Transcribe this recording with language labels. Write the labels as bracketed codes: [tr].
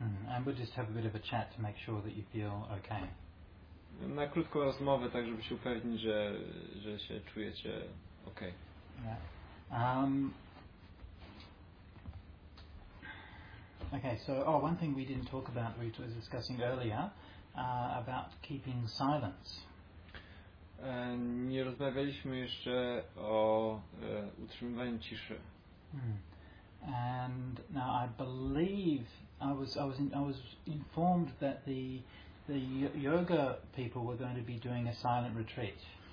[en] And we'll just have a bit of a chat to make sure that you feel okay. [pl] Na krótką rozmowę, tak żeby się upewnić, że się czujecie okej. [en] Okay. Okay, so one thing we didn't talk about, we were discussing earlier, about keeping silence. [pl] Nie rozmawialiśmy jeszcze o utrzymywaniu ciszy. [en] And now I believe I was informed that the yoga people were going to be doing a silent retreat.